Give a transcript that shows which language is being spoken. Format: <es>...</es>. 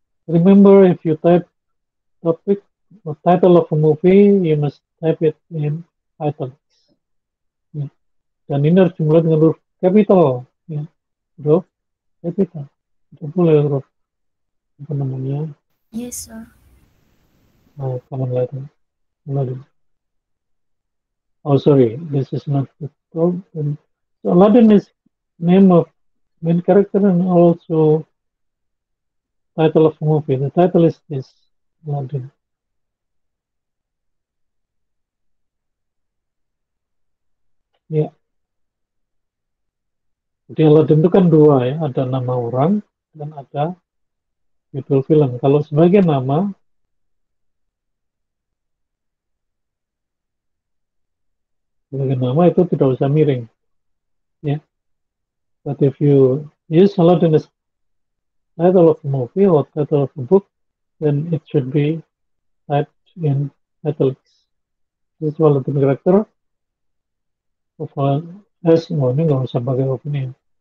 <en>Remember if you type topic or title of a movie, you must type it in title.</en> <id>Dan ini harus dimulai dengan huruf capital, ya. Huruf capital. Itu boleh huruf apa namanya?</id> <en>Yes, sir. Oh, common letter. Aladdin. Oh, sorry. This is not the problem. So Aladdin is name of main character and also title of movie. The title is this, Aladdin.</en> <id>Ya. Jadi Aladdin itu kan dua ya, ada nama orang dan ada judul film. Kalau sebagai nama, itu tidak usah miring. Ya.</id> <en>But if you use Aladdin as title of a movie or title of a book, then it should be typed in italics. This is Aladdin character.</en> <id>Ini nggak usah pakai opinion.</id>